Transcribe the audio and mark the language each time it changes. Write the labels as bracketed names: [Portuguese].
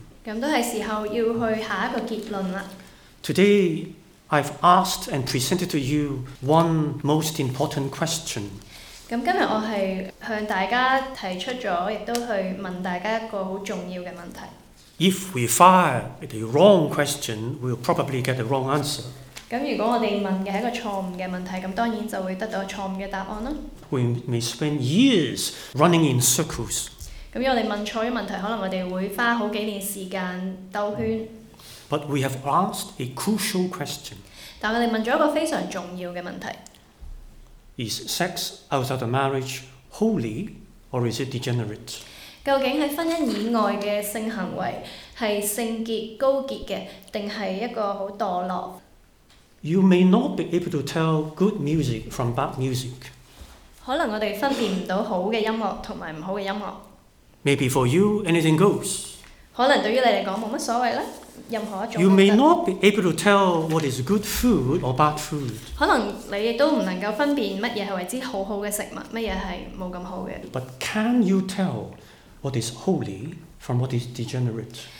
[Cantonese] 咁都係時候要去下一個結論啦。 [English] Today, I've asked and presented to you one most important question. [Cantonese] 咁今日我係向大家提出咗，亦都去問大家一個好重要嘅問題。 [English] If we fire the wrong question, we'll probably get the wrong answer. [Cantonese] 咁如果我哋問嘅係一個錯誤嘅問題，咁當然就會得到錯誤嘅答案啦。 [English] We may spend years running in circles. [Cantonese] 咁我哋問錯咗問題，可能我哋會花好幾年時間兜圈。 [English] But we have asked a crucial question. [Cantonese] 但我哋問咗一個非常重要嘅問題。 [English] Is sex outside of marriage holy or is it degenerate? [Cantonese] 究竟喺婚姻以外嘅性行為係聖潔高潔嘅，定係一個好墮落 [English] ？You may not be able to tell good music from bad music. [Cantonese] 可能我哋分辨唔到好嘅音樂同埋唔好嘅音樂。 [English] Maybe for you, anything goes. [Cantonese] 可能對於你嚟講冇乜所謂啦，任何一種。 [English] You may not be able to tell what is good food or bad food. [Cantonese] 可能你亦都唔能夠分辨乜嘢係為之好好嘅食物，乜嘢係冇咁好嘅。 [English] But can you tell what is holy from what is degenerate?